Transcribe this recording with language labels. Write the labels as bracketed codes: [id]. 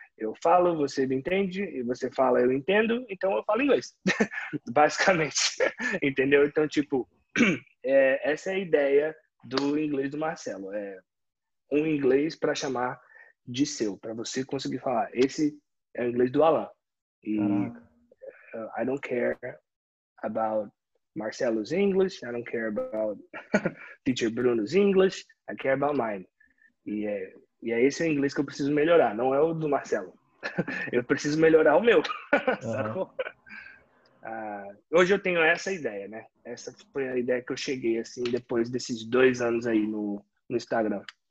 [pt] Eu falo, você me entende, e você fala, eu entendo, então eu falo inglês, basicamente, entendeu? Então, tipo, essa é a ideia do inglês do Marcelo, é um inglês para chamar de seu, para você conseguir falar. Esse é o inglês do Alan, e Caraca. [en] I don't care about Marcelo's English, I don't care about Teacher Bruno's English, I care about mine. [pt] E é esse o inglês que eu preciso melhorar, não é o do Marcelo. Eu preciso melhorar o meu, sacou? Hoje eu tenho essa ideia, né? Essa foi a ideia que eu cheguei assim depois desses 2 anos aí no Instagram.